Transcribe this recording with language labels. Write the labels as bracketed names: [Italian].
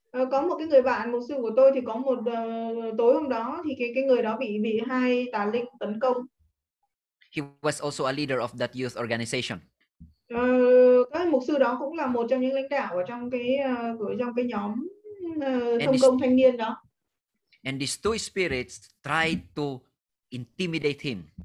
[Vietnamese] Có một cái người bạn mục sư của tôi thì có một tối hôm đó thì cái người đó bị hai tà linh tấn công. [English] He was also a leader of that youth organization. [Vietnamese] Cái mục sư đó cũng là một trong những lãnh đạo ở trong cái nhóm công thanh niên đó. [English] And these two spirits tried to intimidate him.